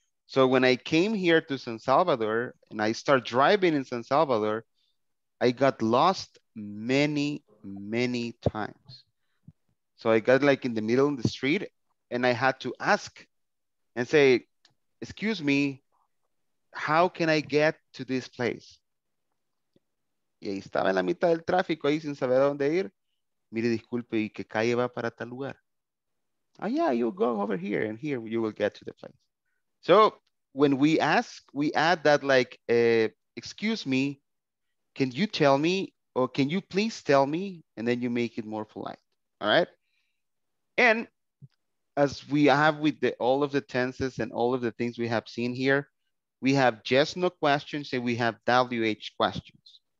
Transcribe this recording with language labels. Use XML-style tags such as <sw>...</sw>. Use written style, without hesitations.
<en>So when I came here to San Salvador and I start driving in San Salvador, I got lost many, many times. So I got like in the middle of the street and I had to ask and say, excuse me, how can I get to this place?</en> <es>Y ahí estaba en la mitad del tráfico ahí sin saber a dónde ir. Mire, disculpe, ¿y qué calle va para tal lugar?</es> <en>Oh yeah, you go over here and here you will get to the place. So when we ask, we add that like, excuse me, can you tell me, or can you please tell me? And then you make it more polite, all right? And as we have with the, all of the tenses and all of the things we have seen here, we have just no questions and we have WH questions.</en>